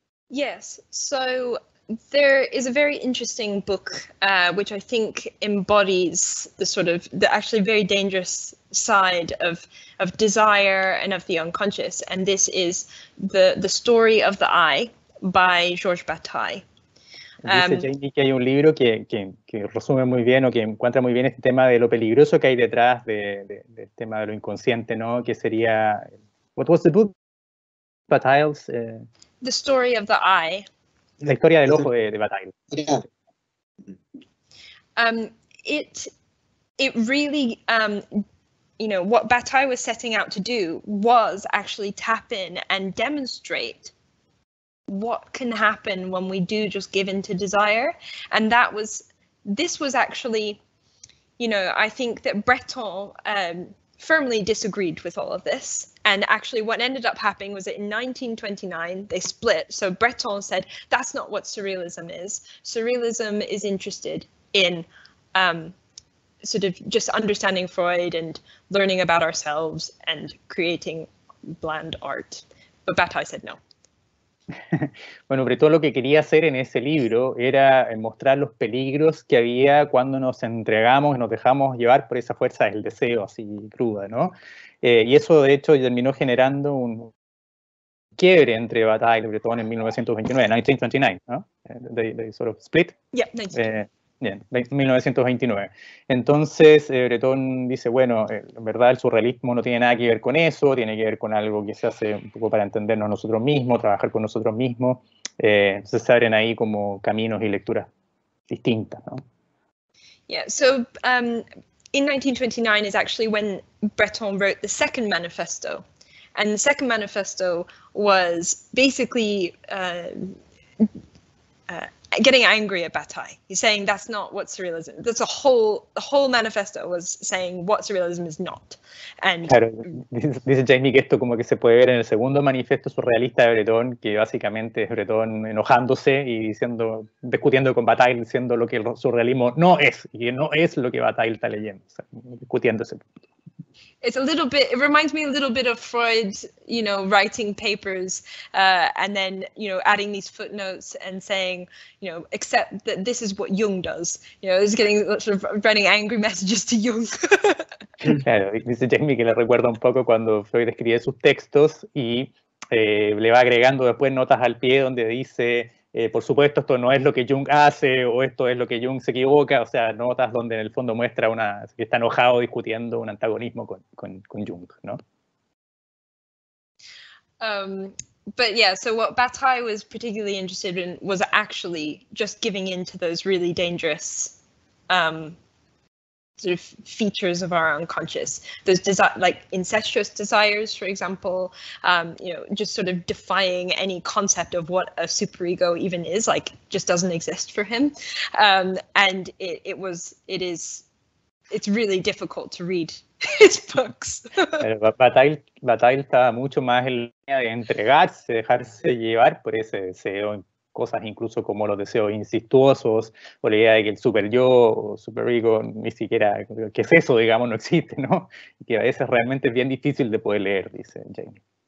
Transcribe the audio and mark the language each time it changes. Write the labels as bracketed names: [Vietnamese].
[English] Yes, so there is a very interesting book which I think embodies the sort of the actually very dangerous side of desire and of the unconscious, and this is the Story of the Eye by Georges Bataille. [Spanish] Dice Jamie que hay un libro que resume muy bien o que encuentra muy bien este tema de lo peligroso que hay detrás del tema de lo inconsciente, ¿no? Que sería [English] what was the book Bataille's The Story of the Eye. [Spanish] La historia del ojo de Bataille. [English] Yeah. It really, you know, what Bataille was setting out to do was actually tap in and demonstrate what can happen when we do just give in to desire. And this was actually, you know, I think that Breton firmly disagreed with all of this. And actually what ended up happening was that in 1929, they split. So Breton said, that's not what surrealism is. Surrealism is interested in sort of just understanding Freud and learning about ourselves and creating bland art. But Bataille said no. [Spanish] Bueno, Breton lo que quería hacer en ese libro era mostrar los peligros que había cuando nos entregamos, nos dejamos llevar por esa fuerza del deseo así cruda, ¿no? Y eso de hecho terminó generando un quiebre entre Bataille y Breton en 1929, ¿no? [English] They sort of split. Yeah, nice. [Spanish] Bien, 1929. Entonces, Breton dice, bueno, en verdad el surrealismo no tiene nada que ver con eso, tiene que ver con algo que se hace un poco para entendernos nosotros mismos, trabajar con nosotros mismos. Entonces se abren ahí como caminos y lecturas distintas, ¿no? [English] Yeah, so in 1929 is actually when Breton wrote the second manifesto. And the second manifesto was basically getting angry at Bataille. He's saying that's not what surrealism. That's the whole manifesto was saying what surrealism is not. And [Spanish] claro, dice Jamie que esto como que se puede ver en el segundo manifiesto surrealista de Breton, que básicamente es Breton enojándose y diciendo, discutiendo con Bataille, diciendo lo que el surrealismo no es y no es lo que Bataille está leyendo, o sea, discutiendo ese punto. [English] It's a little bit, it reminds me a little bit of Freud, you know, writing papers and then, you know, adding these footnotes and saying, you know, accept that this is what Jung does. You know, he's getting sort of writing angry messages to Jung. [Spanish] Claro, dice Jamie que le recuerda un poco cuando Freud escribía sus textos y le va agregando después notas al pie donde dice, por supuesto, esto no es lo que Jung hace o esto es lo que Jung se equivoca. O sea, notas donde en el fondo muestra una, que está enojado discutiendo un antagonismo con Jung, ¿no? [English] But yeah, so what Bataille was particularly interested in was actually just giving in to those really dangerous sort of features of our unconscious, those like incestuous desires, for example, you know, just sort of defying any concept of what a superego even is, like just doesn't exist for him. And it's really difficult to read his books. [Spanish] Bataille estaba mucho más en línea de entregarse, dejarse llevar por ese deseo. Cosas incluso como los deseos incestuosos o la idea de que el super yo o super ego ni siquiera, ¿qué es eso? Digamos, no existe, ¿no? Y que a veces realmente es bien difícil de poder leer, dice Jamie.